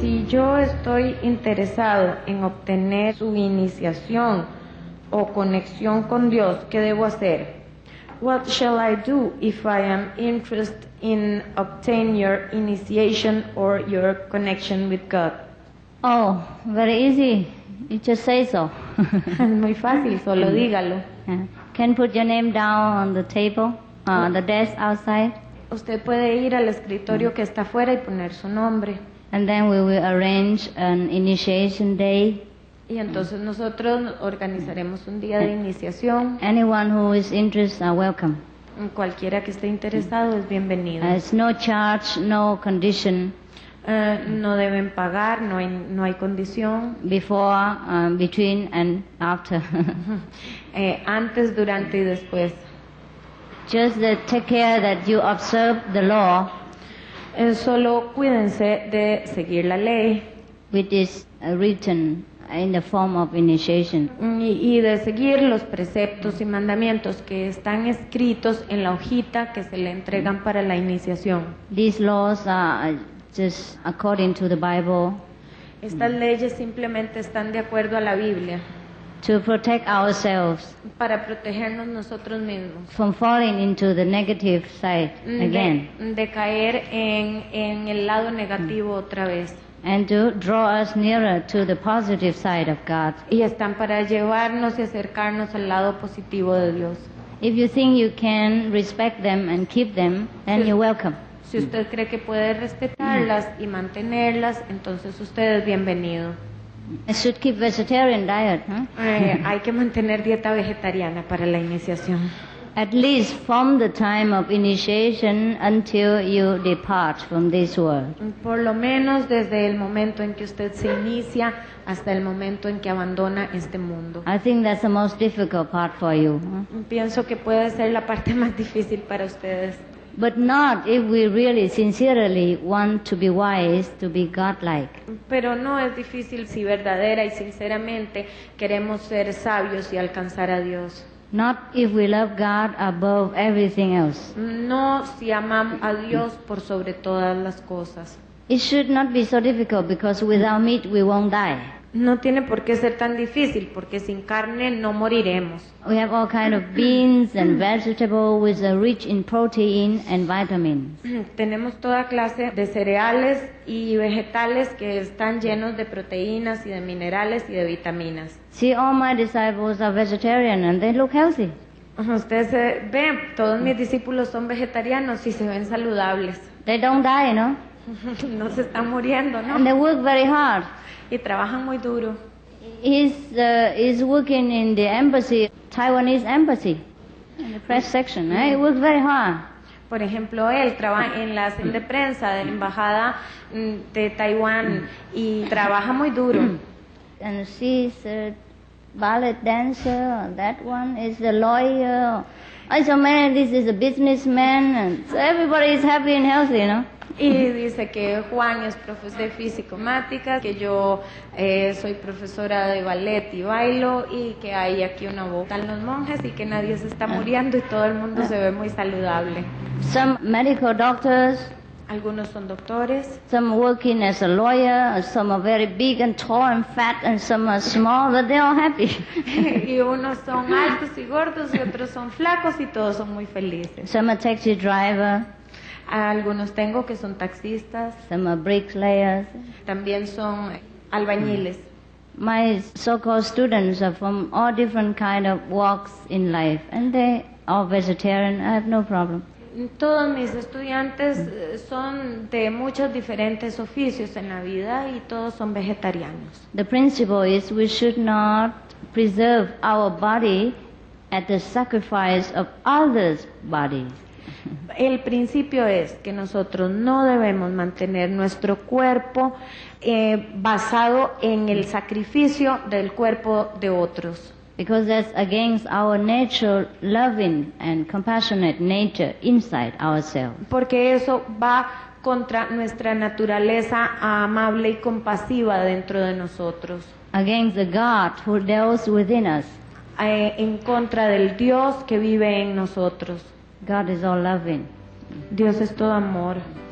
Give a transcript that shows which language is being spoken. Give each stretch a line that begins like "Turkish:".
Spanish: Si yo estoy interesado en obtener su iniciación o conexión con Dios, ¿qué debo hacer?
English: What shall I do if I am interested in obtain your initiation or your connection with God? Oh, very easy. You just say so.
Spanish: Muy fácil, solo dígalo.
English: Can put your name down on the table, on the desk outside.
Spanish: Usted puede ir al escritorio que está afuera y poner su nombre.
English: And then we will arrange an initiation day.
Spanish: Y entonces nosotros organizaremos un día de iniciación.
English: Anyone who is interested are welcome.
Spanish: Cualquiera que esté interesado es bienvenido.
English: It's no charge, no condition.
Spanish: No deben pagar, no hay condición.
English: Before, between and after.
Spanish: antes, durante y después.
English: Just that take care that you observe the law.
Spanish: Solo cuídense de seguir la ley.
English: Which is written in the form of initiation.
Spanish: Y de seguir los preceptos y mandamientos que están escritos en la hojita que se le entregan para la iniciación.
English: These laws are just according to the Bible.
Spanish: Estas leyes simplemente están de acuerdo a la Biblia.
English: To protect ourselves.
Spanish: Para protegernos nosotros mismos.
English: From falling into the negative side again.
Spanish: De caer en el lado negativo otra vez.
English: And to draw us nearer to the positive side of God.
Spanish: Y están para llevarnos y acercarnos al lado positivo de Dios.
English: If you think you can respect them and keep them, then you're welcome.
Spanish: Si usted cree que puede respetarlas y mantenerlas, entonces usted es bienvenido.
English: I should keep vegetarian diet, huh?
Spanish: Hay que mantener dieta vegetariana para la iniciación.
English: At least from the time of initiation until you depart from this world.
Spanish: Por lo menos desde el momento en que usted se inicia hasta el momento en que abandona este mundo.
English: I think that's the most difficult part for you.
Spanish: Pienso que puede ser la parte más difícil para ustedes.
English: But not if we really sincerely want to be wise, to be godlike.
Spanish: Pero no es difícil si verdadera y sinceramente queremos ser sabios y alcanzar a Dios.
English: Not if we love God above everything else.
Spanish: No si amamos a Dios por sobre todas las cosas.
English: It should not be so difficult because without meat we won't die.
Spanish: No tiene por qué ser tan difícil, porque sin carne no moriremos.
English: We have all kind of beans and vegetables which are rich in protein and vitamins.
Spanish: Tenemos toda clase de cereales y vegetales que están llenos de proteínas y de minerales y de vitaminas.
English: See, all my disciples are vegetarian and they look healthy.
Spanish: Ustedes ven, todos mis discípulos son vegetarianos y se ven saludables.
English: They don't die, no?
Spanish: No se están muriendo, ¿no?
English: And they work very hard.
Spanish: Y trabajan muy duro.
English: He's working in the embassy, Taiwanese embassy, in the press section. Eh? He works very hard.
Spanish: Por ejemplo, él trabaja en la sala de prensa de la embajada de Taiwán y trabaja muy duro.
English: And she's a ballet dancer. That one is a lawyer. I saw many. This is a businessman. And so everybody is happy and healthy, you know.
Spanish: Y dice que Juan es profesor de físico-matemática, que yo soy profesora de ballet y bailo, y que hay aquí una boca en los monjes y que nadie se está muriendo y todo el mundo se ve muy saludable.
English: Some medical doctors.
Spanish: Algunos son doctores.
English: Some working as a lawyer, some are very big and tall and fat, and some are small, but they are happy.
Spanish: Y unos son altos y gordos y otros son flacos y todos son muy felices.
English: Some are taxi driver.
Spanish: Algunos tengo que son taxistas.
English: Some are bricklayers.
Spanish: También son albañiles.
English: My so-called students are from all different kind of walks in life, and they are vegetarian. I have no problem.
Spanish: Todos mis estudiantes son de muchos diferentes oficios en la vida y todos son vegetarianos.
English: The principle is we should not preserve our body at the sacrifice of others' bodies.
Spanish: El principio es que nosotros no debemos mantener nuestro cuerpo basado en el sacrificio del cuerpo de otros.
English: Because that's against our natural loving and compassionate nature inside ourselves.
Spanish: Porque eso va contra nuestra naturaleza amable y compasiva dentro de nosotros.
English: Against the God who dwells within us.
Spanish: En contra del Dios que vive en nosotros.
English: God is all loving.
Spanish: Dios es todo amor.